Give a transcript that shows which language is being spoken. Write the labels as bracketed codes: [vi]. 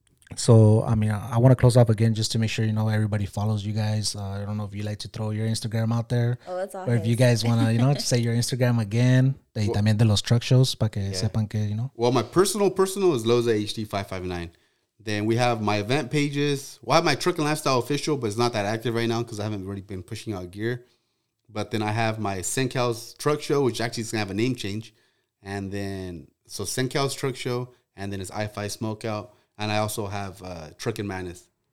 [en] I want to close off again just to make sure you know everybody follows you guys. I don't know if you like to throw your Instagram out there. Oh, that's awesome. Or if you guys want to, you know, say your Instagram again. [es] Well, también de los truck shows para que sepan que, you know. [en] Well, my personal is LozaHD559. Then we have my event pages. Well, I have my Truck and Lifestyle Official, but it's not that active right now because I haven't really been pushing out gear. But then I have my SenCal's Truck Show, which actually is going to have a name change. And then, so SenCal's Truck Show, and then it's I-Fi Smokeout, and I also have Truck and Madness.